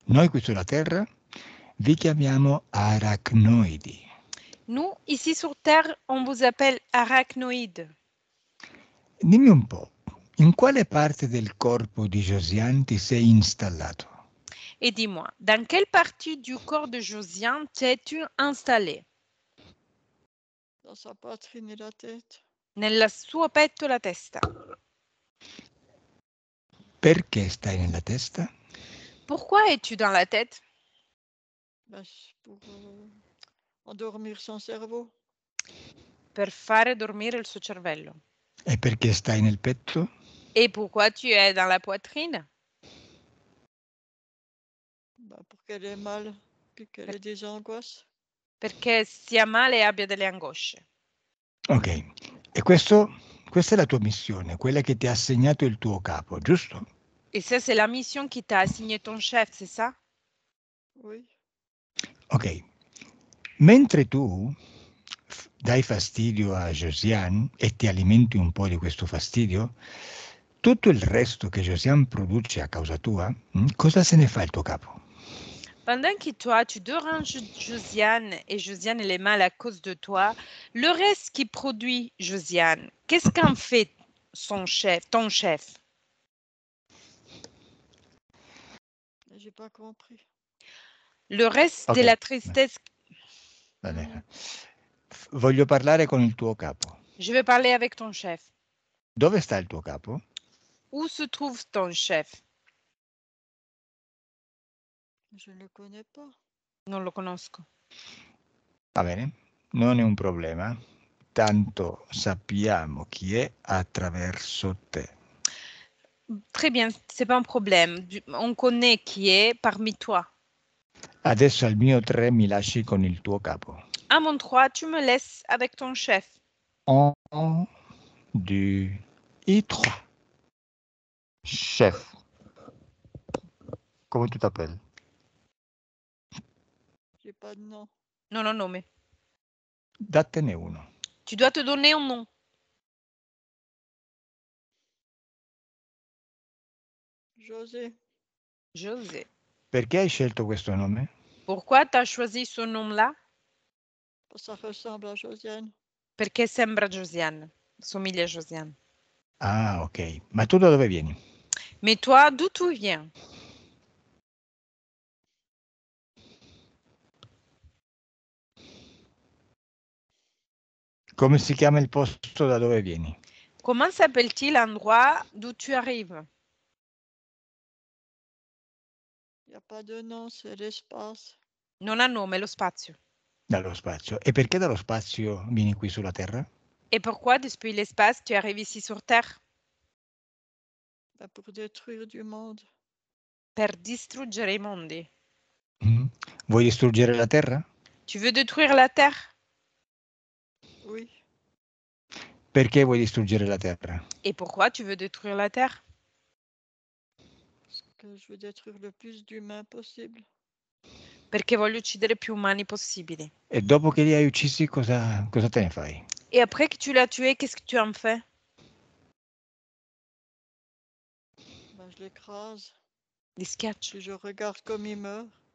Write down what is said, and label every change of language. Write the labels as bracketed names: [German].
[Italian] qui sulla Terra, vi chiamiamo arachnoidi. [French] Nous, ici sur Terre, on vous appelle arachnoïde. [Italian] Dimmi un po', in quale parte del corpo di Josiane ti sei installato? [French] Et dis-moi, dans quelle partie du corps de Josiane t'es-tu installé? Dans sa poitrine et la tête. [Italian] Nella suo petto la testa. Perché stai nella testa? [French] Pourquoi es-tu dans la tête? Pour endormir son cerveau. [Italian] Per fare dormire il suo cervello. Et perché stai nel petto? [French] Et pourquoi tu es dans la poitrine? Bah, pour qu'elle ait mal, qu'elle ait des angoisses. [Italian] Perché sia male e abbia delle angosce. Ok, e questo, questa è la tua missione, quella che ti ha assegnato il tuo capo, giusto? E se c'è la missione che ti ha assegnato il chef, c'è ça? [French] Oui. [Italian] Ok, mentre tu dai fastidio a Josiane e ti alimenti un po' di questo fastidio, tutto il resto che Josiane produce a causa tua, cosa se ne fa il tuo capo? [French] Pendant que toi, tu déranges Josiane et Josiane elle est mal à cause de toi, le reste qui produit Josiane, qu'est-ce qu'en fait son chef, ton chef? J'ai pas compris. Le reste okay. De la tristesse. [Italian] Vale. Voglio parlare con il tuo capo. [French] Je vais parler avec ton chef. [Italian] Dove sta il tuo capo? [French] Où se trouve ton chef? Je ne le connais pas. [Italian] Non lo conosco. Va bene, non è un problema. Tanto sappiamo chi è attraverso te. [French] Très bien, c'est pas un problème. On connaît [Italian] chi è [French] parmi toi. [Italian] Adesso al mio tre mi lasci con il tuo capo. [French] À mon trois, tu me laisses avec ton chef. Un, deux et trois. Chef. Comment tu t'appelles? Pas de nom. Non, non, non, mais. [Italian] Datene uno. [French] Tu dois te donner un nom. José. José. [Italian] Perché hai scelto questo nome? [French] Pourquoi tu as choisi ce nom-là? Ça ressemble à Josiane. [Italian] Perché sembra Josiane. Somiglia a Josiane. Ah, ok. Ma tu da dove vieni? [French] Mais toi, d'où tu viens? [Italian] Come si chiama il posto da dove vieni? [French] Come s'appelle l'endroit d'où tu arrives? Il n'y a pas de nom, [Italian] c'è [French] l'espace. [Italian] Non ha nome, lo spazio. Dallo spazio. E perché dallo spazio vieni qui sulla Terra? E perché, [French] depuis l'espace, tu arrivi ici sur Terre? [Italian] Beh, per distruggere il mondo. Per distruggere i mondi. Mm. Vuoi distruggere la Terra? [French] Tu veux détruire la Terre? Oui. [Italian] Perché vuoi distruggere la terra? [French] E pourquoi tu veux détruire la terre? Parce que je veux détruire le plus d'humains possible. [Italian] Perché voglio uccidere più umani possibili. E dopo che li hai uccisi, cosa te ne fai? [French] E après que tu l'as tué, qu'est-ce que tu en fais? Ben, je l'écrase. [Italian] Li schiaccio. [French] Je regarde comme ils meurent.